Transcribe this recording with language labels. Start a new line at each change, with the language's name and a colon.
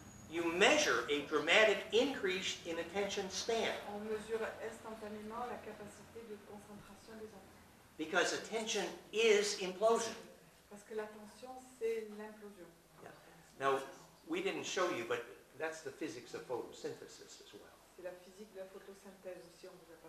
English: you measure a dramatic increase in attention span.
French: On mesure instantanément la capacité de concentration des enfants.
English: Because attention is implosion.
French: Parce que l'attention, c'est l'implosion.
English: Yeah. Now, we didn't show you, but that's the physics of photosynthesis as well.
French: La physique de la photosynthèse aussi, on vous a pas